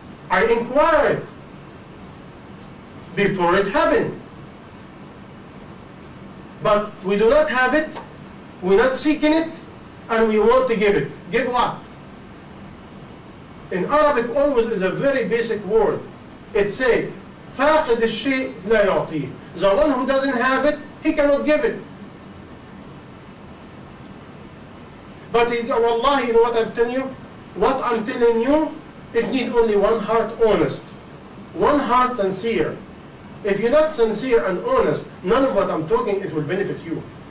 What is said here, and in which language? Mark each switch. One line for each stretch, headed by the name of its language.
English: I inquire it before it happened. But we do not have it, we're not seeking it, and we want to give it. Give what? In Arabic, always is a very basic word. It says,
Arabic: فَاقِدْ الشَّيْءِ لَا يَعْطِيهِ.
English: The one who doesn't have it, he cannot give it. But wallahi, you know what I'm telling you? What I'm telling you, it needs only one heart honest. One heart sincere. If you're not sincere and honest, none of what I'm talking, it will benefit you.